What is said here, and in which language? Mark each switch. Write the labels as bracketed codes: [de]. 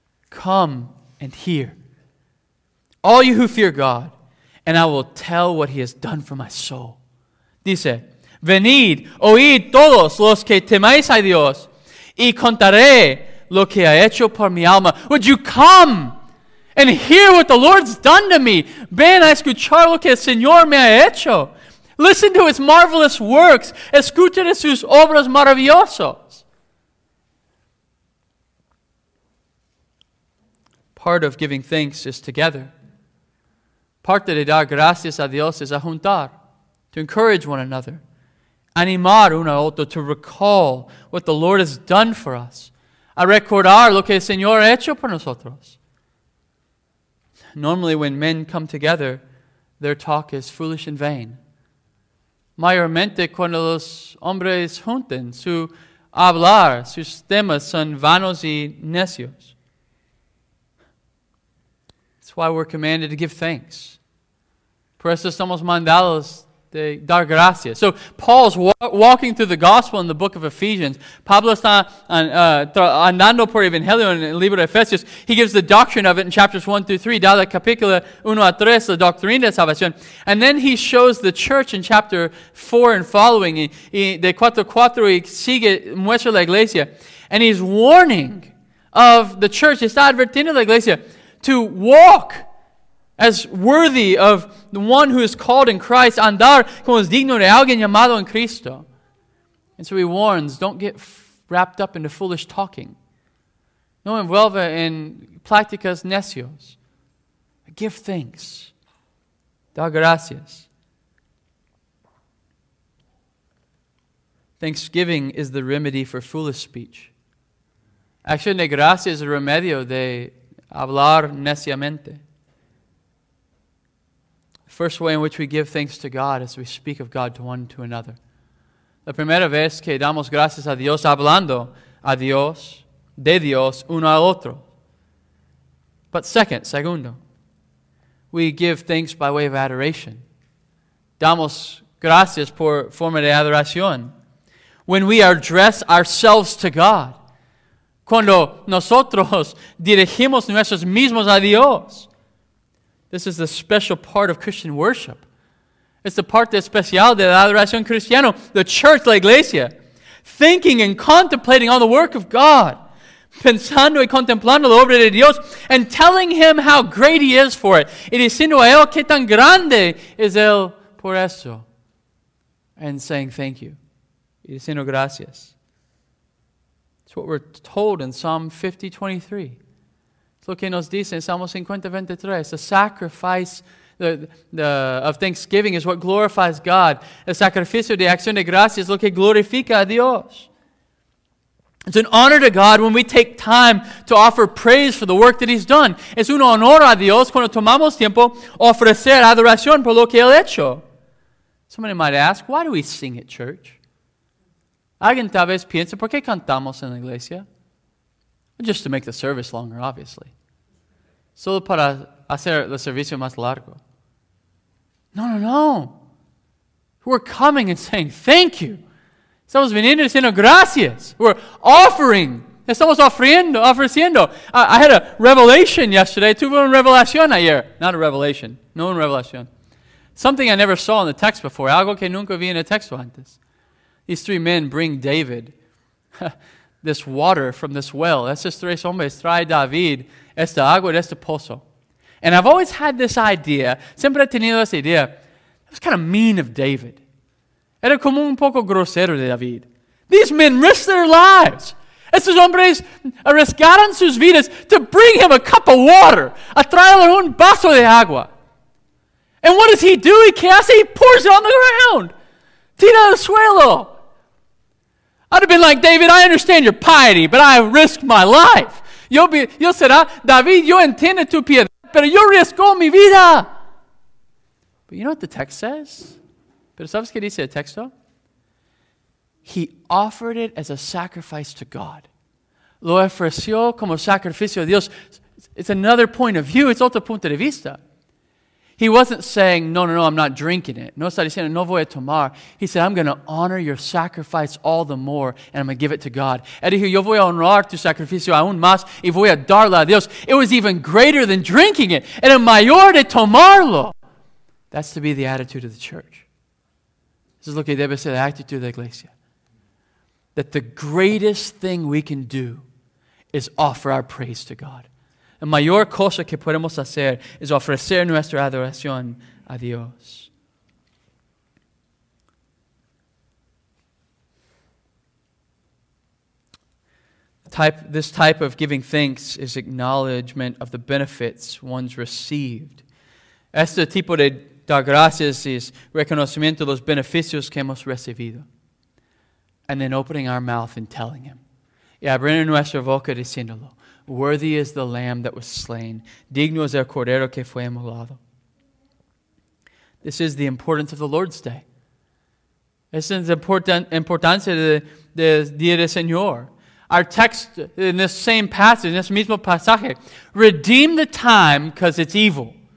[en] Come and hear, all you who fear God, and I will tell what he has done for my soul. [es] Dice, venid, oíd todos los que temáis a Dios, y contaré lo que ha hecho por mi alma. [en] Would you come? And hear what the Lord's done to me. [es] Ven a escuchar lo que el Señor me ha hecho. [en] Listen to his marvelous works. [es] Escucha de sus obras maravillosas. [en] Part of giving thanks is together. [es] Parte de dar gracias a Dios es a juntar. [en] To encourage one another. [es] Animar uno a otro. [en] To recall what the Lord has done for us. [es] A recordar lo que el Señor ha hecho por nosotros. [en] Normally, when men come together, their talk is foolish and vain. [es] mayormente cuando los hombres junten su hablar, sus temas son vanos y necios. [en] That's why we're commanded to give thanks. [es] Por eso estamos mandados de dar gracias. [en] So Paul's walking through the gospel in the book of Ephesians. [es] Pablo está andando por Evangelio en el libro de Efesios. [en] He gives the doctrine of it in chapters 1 through 3. [es] Da la capítulo 1 a 3, la doctrina de salvación. [en] And then he shows the church in chapter 4 and following. [es] De 4 a 4, y sigue, muestra la iglesia. [en] And he's warning of the church. [es] Está advirtiendo la iglesia [en] to walk as worthy of the one who is called in Christ, [es] andar como es digno de alguien llamado en Cristo. [en] And so he warns, don't get wrapped up into foolish talking. [es] No envuelva en pláticas necios. [en] Give thanks. [es] Da gracias. [en] Thanksgiving is the remedy for foolish speech. [es] Acción de gracias es el remedio de hablar neciamente. [en] First way in which we give thanks to God is we speak of God to one to another. [es] La primera vez que damos gracias a Dios hablando a Dios, de Dios, uno al otro. [en] But segundo, we give thanks by way of adoration. [es] Damos gracias por forma de adoración. [en] When we address ourselves to God, [es] cuando nosotros dirigimos nuestros mismos a Dios. [en] This is the special part of Christian worship. It's the [es] parte especial de la adoración cristiana, [en] the church, [es] la iglesia, [en] thinking and contemplating on the work of God, [es] pensando y contemplando la obra de Dios, [en] and telling Him how great He is for it. [es] Y diciendo a Él qué tan grande es Él por eso. [en] And saying thank you. [es] Y diciendo gracias. [en] It's what we're told in Psalm 50:23. [es] Lo que nos dice en Salmo 50:23, [en] the sacrifice of thanksgiving is what glorifies God. [es] El sacrificio de acción de gracias es lo que glorifica a Dios. [en] It's an honor to God when we take time to offer praise for the work that He's done. [es] Es un honor a Dios cuando tomamos tiempo ofrecer adoración por lo que Él ha hecho. [en] Somebody might ask, why do we sing at church? [es] Alguien tal vez piensa, ¿por qué cantamos en la iglesia? [en] Just to make the service longer, obviously. [es] Solo para hacer el servicio más largo. [en] No. We're coming and saying thank you. [es] Estamos viniendo diciendo gracias. [en] We're offering. [es] Estamos ofreciendo. [en] I had a revelation yesterday. [es] Tuve una revelación ayer. [en] Not a revelation. [es] No una revelación. [en] Something I never saw in the text before. [es] Algo que nunca vi en el texto antes. [en] These three men bring David. This water from this well. [es] Estos tres hombres trae David esta agua de este pozo. [en] And I've always had this idea. [es] Siempre he tenido esta idea. [en] It was kind of mean of David. [es] Era como un poco grosero de David. [en] These men risked their lives. [es] Estos hombres arriesgaron sus vidas [en] to bring him a cup of water. [es] A traerle un vaso de agua. [en] And what does he do? He casts it. He pours it on the ground. [es] Tira el suelo. [en] I'd have been like, David, I understand your piety, but I risked my life. [es] Yo será, David, yo entiendo tu piedad, pero yo riesgo mi vida. [en] But you know what the text says? [es] ¿Pero sabes qué dice el texto? [en] He offered it as a sacrifice to God. [es] Lo ofreció como sacrificio a Dios. [en] It's another point of view. It's [es] otro punto de vista. [en] He wasn't saying, no, I'm not drinking it. [es] No está diciendo, no voy a tomar. [en] He said, I'm going to honor your sacrifice all the more, and I'm going to give it to God. [es] Él dijo, yo voy a honrar tu sacrificio aún más, y voy a darlo a Dios. [en] It was even greater than drinking it. [es] Era mayor de tomarlo. [en] That's to be the attitude of the church. This is [es] lo que debe ser la actitud de la iglesia. [en] That the greatest thing we can do is offer our praise to God. [es] La mayor cosa que podemos hacer es ofrecer nuestra adoración a Dios. [en] This type of giving thanks is acknowledgement of the benefits one's received. [es] Este tipo de dar gracias es reconocimiento de los beneficios que hemos recibido. [en] And then opening our mouth and telling Him. [es] Y abriendo nuestra boca diciéndolo. [en] Worthy is the lamb that was slain. [es] Digno es el cordero que fue inmolado. [en] This is the importance of the Lord's Day. [es] Esa es importancia de Día del Señor. [en] Our text in this same passage, in this [es] mismo pasaje, [en] redeem the time because it's evil.